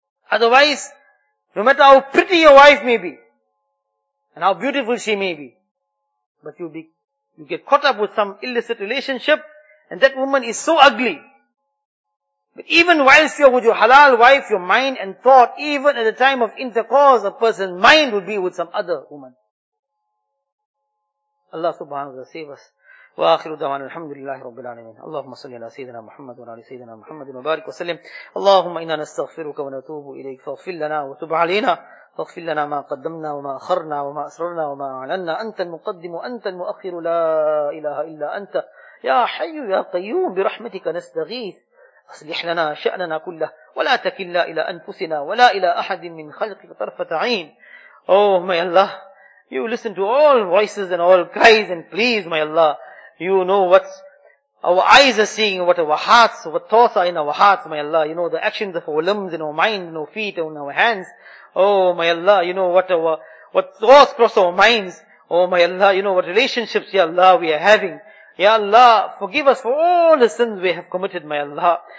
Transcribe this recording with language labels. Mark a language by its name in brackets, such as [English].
[English] Otherwise, no matter how pretty your wife may be, and how beautiful she may be, but you get caught up with some illicit relationship, and that woman is so ugly. But even whilst you're with your halal wife, your mind and thought, even at the time of intercourse, a person's mind would be with some other woman. Allah subhanahu wa ta'ala save us. [Arabic] وآخر دعوانا الحمد لله رب العالمين اللهم صل على سيدنا محمد وعلى سيدنا محمد وبارك وسلم اللهم إنا نستغفرك ونتوب إليك فاغفر لنا وتب علينا فاغفر لنا ما قدمنا وما أخرنا وما أسررنا وما أعلنا أنت المقدم وأنت المؤخر لا إله إلا أنت يا حي يا قيوم برحمتك نستغيث أصلح لنا شأننا كله ولا تكلنا إلى أنفسنا ولا إلى أحد من خلقك طرفة عين [English] Oh my Allah, You listen to all voices and all cries and pleas, my Allah. You know what our eyes are seeing, what our hearts, what thoughts are in our hearts, my Allah. You know the actions of our limbs and our minds and our feet and our hands. Oh, my Allah, you know what thoughts cross our minds. Oh, my Allah, you know what relationships, ya Allah, we are having. Ya Allah, forgive us for all the sins we have committed, my Allah.